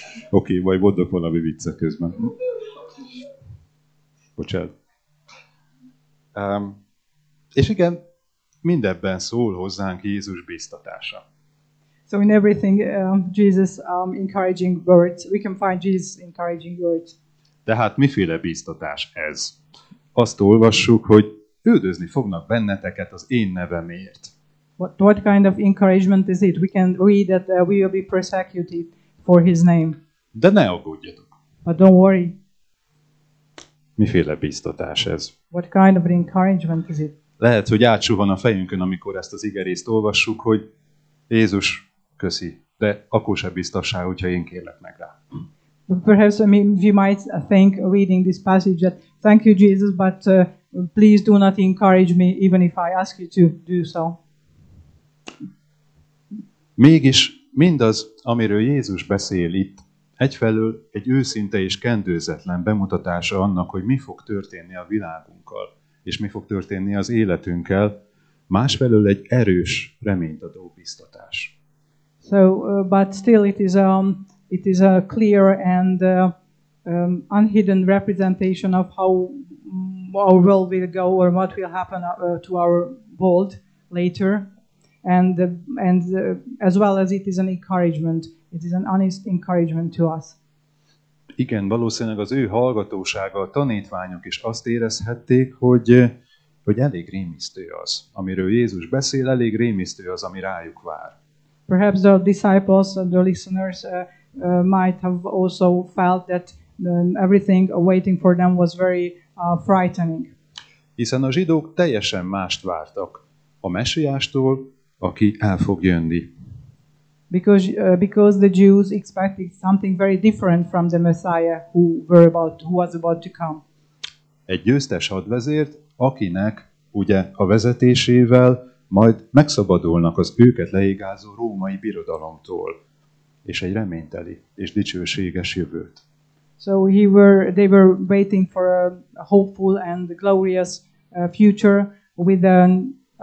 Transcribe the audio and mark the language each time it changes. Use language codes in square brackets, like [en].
[hu] Oké, majd mondok valami vicce közben. Bocsánat. És igen, mindebben szól hozzánk Jézus bíztatása. [en] So in everything, Jesus encouraging words, we can find Jesus encouraging words. [hu] De hát miféle bíztatás ez? Azt olvassuk, hogy üldözni fognak benneteket az én nevemért. [en] What kind of encouragement is it? We can read that we will be persecuted for his name. [hu] De ne aggódjatok. [en] But don't worry. [hu] Miféle biztatás ez? [en] What kind of encouragement is it? [hu] Lehet, hogy átsuhan a fejünkön, amikor ezt az igerészt olvassuk, hogy Jézus, köszi, de akkor se biztassá, hogyha én kérlek meg rá. [en] Perhaps I mean, we might think reading this passage that thank you Jesus, but please do not encourage me even if I ask you to do so. [hu] Mégis mindaz, amiről Jézus beszél itt, egyfelől egy őszinte és kendőzetlen bemutatása annak, hogy mi fog történni a világunkkal, és mi fog történni az életünkkel, másfelől egy erős, reményt adó biztatás. [en] So, but still it is a clear and unhidden representation of how our world will go or what will happen to our world later. And as well as it is an encouragement, it is an honest encouragement to us. [hu] Igen, valószínűleg az ő hallgatósága, a tanítványok is azt érezhették, hogy elég rémisztő az, amiről Jézus beszél, elég rémisztő az, ami rájuk vár. [en] Perhaps the disciples, the listeners, might have also felt that everything waiting for them was very frightening. [hu] Hiszen a zsidók teljesen mást vártak a Mesiástól, aki el fog jönni. [en] Because the Jews expected something very different from the Messiah who was about to come. [hu] Egy győztes hadvezért, akinek ugye a vezetésével majd megszabadulnak az őket leigázó római birodalomtól, és egy reményteli és dicsőséges jövőt. [en] So they were waiting for a hopeful and glorious future with an